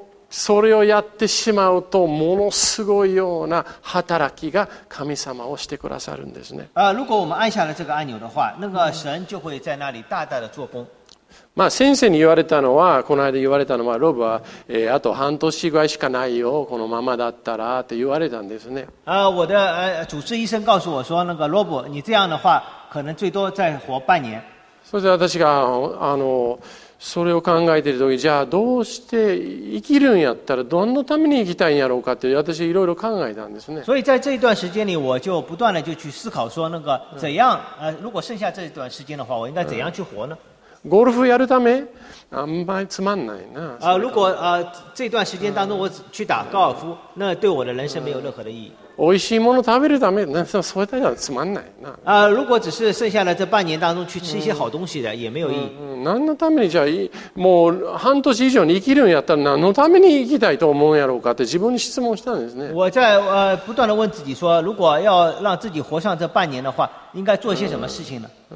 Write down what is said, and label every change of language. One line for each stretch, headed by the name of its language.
Japanese: それをやってしまうと、ものすごいような働きが神様をしてくださるんですね。
Chinese: 如果我们按下了这个按钮的话，那个神就会在那里大大的做工。
Japanese: まあ、先生に言われたのは、この間言われたのは、ロブは、あと半年ぐらいしかないよ、このままだったらって言われたんですね。
Chinese: 我的主治医生告诉我说、那个ロブ、你这样的话、可能最多再活半年。
Japanese: それで私が、それを考えているとき、じゃあどうして生きるんやったら、どのために生きたいんやろうかって、私いろいろ考えたんですね。
Chinese: 所以在这一段时间里、我就不断的就去思考说、那个怎样、如果剩下这一段时间的话、我应该怎样去活呢？
Japanese: ゴルフやるためあんまりつまんないな。
Chinese: 如果这段时间当中我去打高尔夫、那对我的人生没有任何的意义。
Japanese: おいしいもの食べるため、那そうそれだけつまんないな。
Chinese: 如果只是剩下的这半年当中去吃一些好东西的，也没有意义。
Japanese: 何のためにじゃあもう半年以上に生きるんやったら何のために生きたいと思うやろうかって自分に質問したんですね。
Chinese: 我在不断的问自己说，如果要让自己活上这半年的话，应该做些什么事情呢？